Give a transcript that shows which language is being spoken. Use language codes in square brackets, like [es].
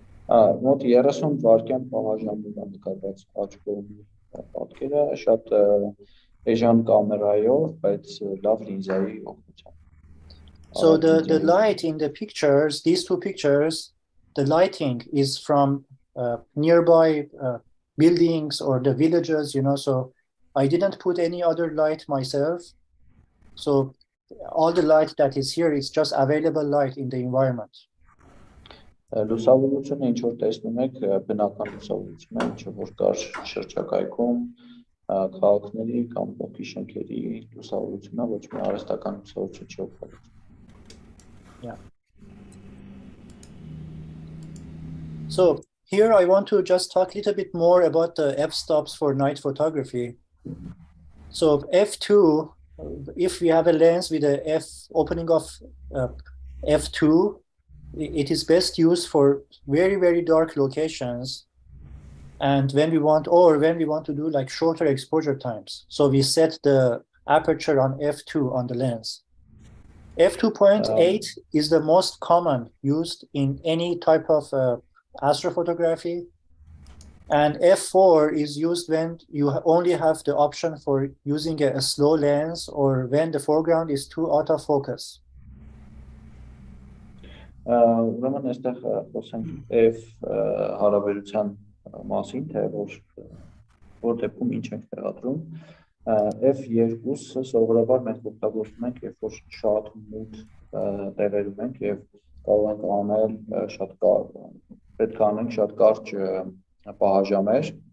[hy] Մոտ 30 վայրկյան պահաժամով է նկարված աջ կողմի պատկերը, շատ [en] Asian camera, but lovely in the picture. So the light in the pictures, these two pictures, the lighting is from nearby buildings or the villages, you know, so I didn't put any other light myself. So all the light that is here is just available light in the environment. Լուսավորությունը ինչ որ տեսնում եք, բնական լուսավորություն է, ինչ որ կար շրջակայքում, քաղաքների կամ փոքր շենքերի լուսավորությունը ոչ մի արհեստական լուսավորություն չի օգտվում։ So here I want to just talk a little bit more about the f-stops for night photography. So f2, if we have a lens with a f opening of f2, It is best used for very, very dark locations, and when we want, or when we want to do like shorter exposure times. So we set the aperture on f2 on the lens. F2.8 is the most common used in any type of astrophotography. And F4 is used when you only have the option for using a slow lens or when the foreground is too out of focus. [hy] Ուրեմն այստեղ խոսենք F հարաբերության մասին, թե որ դեպքում ինչ ենք տեղադրում. F2-ը սովորաբար մենք օգտագործում ենք, երբ որ շատ մութ տեղերում ենք եւ կարող ենք անել շատ կարճ, պետք է անենք շատ կարճ պահաժամեր.